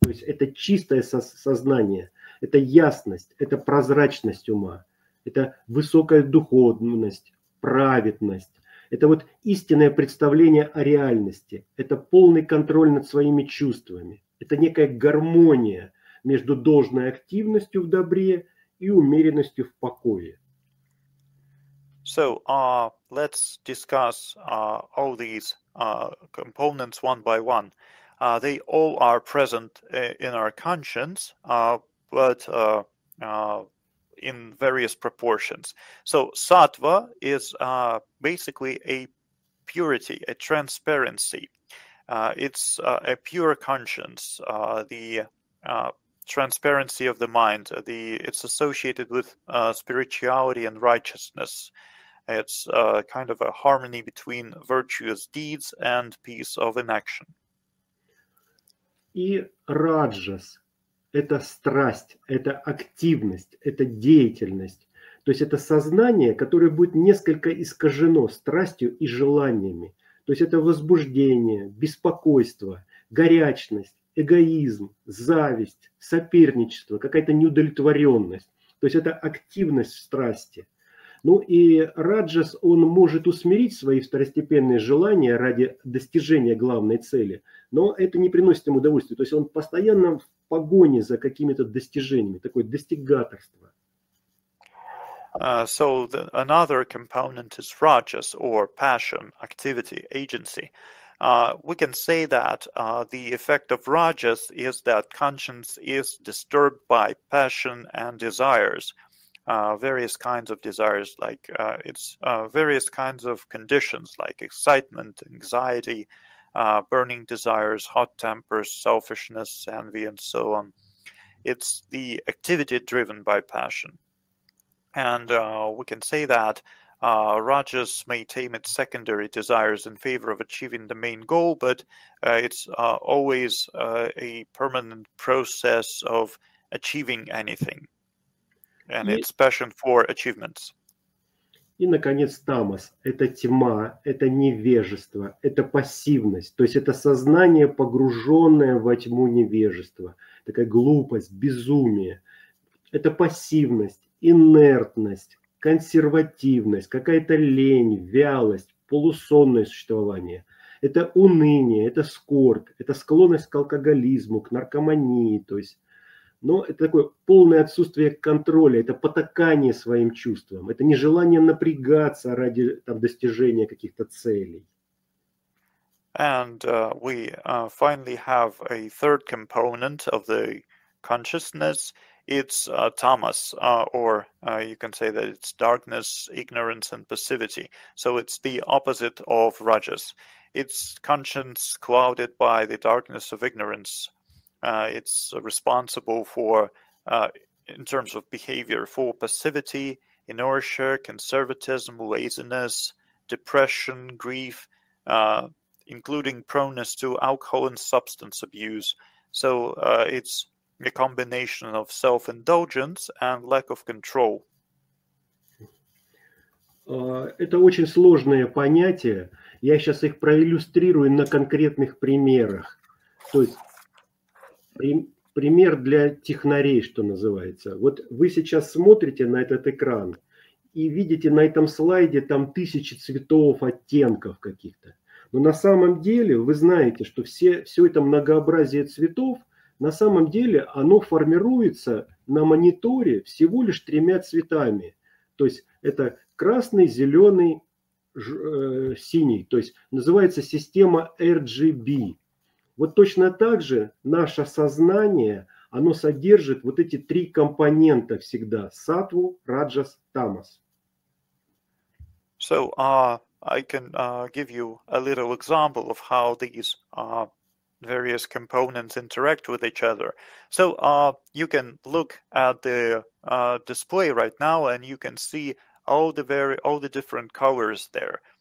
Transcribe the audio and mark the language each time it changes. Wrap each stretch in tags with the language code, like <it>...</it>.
<ru>То есть это чистое сознание, это ясность, это прозрачность ума, это высокая духовность, праведность. Это вот истинное представление о реальности, это полный контроль над своими чувствами. Это некая гармония между должной активностью в добре и умеренностью в покое.</ru> <en>So, let's discuss all these components one by one. They all are present in our conscience, but in various proportions. So, sattva is basically a purity, a transparency. It's a pure conscience, the transparency of the mind. It's associated with spirituality and righteousness. It's kind of a harmony between virtuous deeds and peace of inaction.</en> <ru>И раджас – это страсть, это активность, это деятельность. То есть это сознание, которое будет несколько искажено страстью и желаниями. То есть это возбуждение, беспокойство, горячность, эгоизм, зависть, соперничество, какая-то неудовлетворенность. То есть это активность в страсти. Ну и раджас, он может усмирить свои второстепенные желания ради достижения главной цели, но это не приносит ему удовольствия. То есть он постоянно в погоне за какими-то достижениями, такое достигаторство.</ru> <en>So the, another component is rajas, or passion, activity, agency. We can say that the effect of rajas is that conscience is disturbed by passion and desires, various kinds of desires, like it's various kinds of conditions, like excitement, anxiety, burning desires, hot tempers, selfishness, envy, and so on. It's the activity driven by passion. And we can say that rajas may tame its secondary desires in favor of achieving the main goal, but it's always a permanent process of achieving anything. And it's passion for achievements.</en> <ru>И, наконец, тамас. Это тьма, это невежество, это пассивность. То есть это сознание, погруженное во тьму невежества. Такая глупость, безумие. Это пассивность. Инертность, консервативность, какая-то лень, вялость, полусонное существование. Это уныние, это скорбь, это склонность к алкоголизму, к наркомании. То есть, но это такое полное отсутствие контроля, это потакание своим чувствам, это нежелание напрягаться ради там, достижения каких-то целей.</ru> <en>And we finally have a third component of the consciousness. It's tamas, or you can say that it's darkness, ignorance, and passivity. So it's the opposite of rajas. It's conscience clouded by the darkness of ignorance. It's responsible for, in terms of behavior, for passivity, inertia, conservatism, laziness, depression, grief, including proneness to alcohol and substance abuse. So it's a combination of self-indulgence and lack of control.</en> <ru>Это очень сложные понятия. Я сейчас их проиллюстрирую на конкретных примерах. То есть пример для технарей, что называется. Вот вы сейчас смотрите на этот экран и видите на этом слайде там тысячи цветов, оттенков каких-то. Но на самом деле вы знаете, что все это многообразие цветов, на самом деле оно формируется на мониторе всего лишь тремя цветами. То есть это красный, зеленый, синий. То есть называется система RGB. Вот точно так же наше сознание, оно содержит вот эти три компонента всегда. Сатву, раджас, тамас.</ru> <en>So, I can give you a little example of how these various components interact with each other. So, you can look at the display right now and you can see all the different colors there.</en>